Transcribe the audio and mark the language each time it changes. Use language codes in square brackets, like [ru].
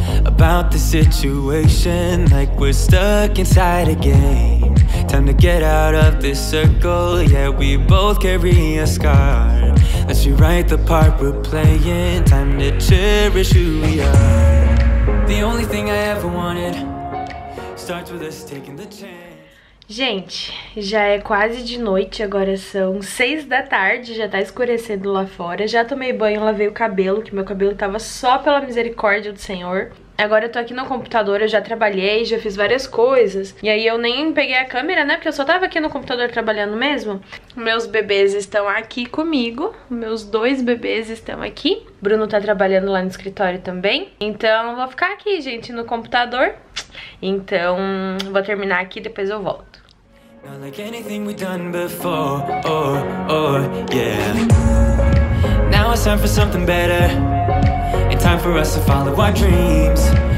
[en] About the situation, like we're stuck inside a game. Time to get out of this circle, yeah, we both carry a scar. Let's rewrite the part we're playing, time to cherish who we are. The only thing I ever wanted starts with us taking the chance. [pt] Gente, já é quase de noite, agora são 6 da tarde, já tá escurecendo lá fora. Já tomei banho, lavei o cabelo, que meu cabelo tava só pela misericórdia do Senhor. Agora eu tô aqui no computador, eu já trabalhei, já fiz várias coisas. E aí eu nem peguei a câmera, né, porque eu só tava aqui no computador trabalhando mesmo. Meus bebês estão aqui comigo, meus dois bebês estão aqui. Bruno tá trabalhando lá no escritório também. Então vou ficar aqui, gente, no computador. Então vou terminar aqui, depois eu volto. [en] Not like anything we've done before, oh, oh, yeah. Now it's time for something better. Time for us to follow our dreams.